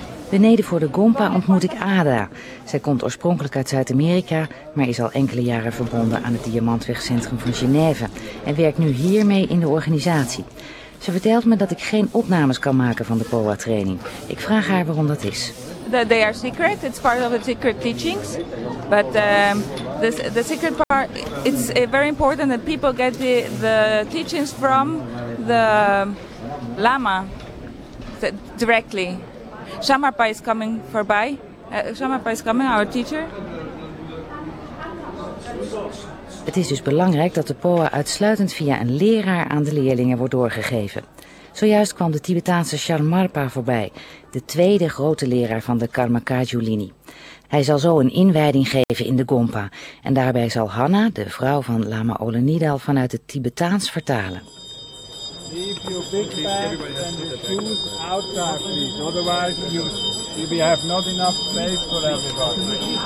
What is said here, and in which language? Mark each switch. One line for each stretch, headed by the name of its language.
Dutch: Beneden voor de Gompa ontmoet ik Ada. Zij komt oorspronkelijk uit Zuid-Amerika, maar is al enkele jaren verbonden aan het Diamantwegcentrum van Genève en werkt nu hiermee in de organisatie. Ze vertelt me dat ik geen opnames kan maken van de POA-training. Ik vraag haar waarom dat is.
English: They are secret. It's part of the secret teachings. But the secret part, it's very important that people get the teachings from the Lama directly. Shamarpa is coming voorbij. Shamarpa is coming, our teacher.
Dutch: Het is dus belangrijk dat de POA uitsluitend via een leraar aan de leerlingen wordt doorgegeven. Zojuist kwam de Tibetaanse Shamarpa voorbij, de tweede grote leraar van de Karmakajulini. Hij zal zo een inwijding geven in de Gompa. En daarbij zal Hanna, de vrouw van Lama Ole Nidal, vanuit het Tibetaans vertalen.
English: Leave your big bag and the shoes outside, please. Otherwise, we have not enough space for everybody.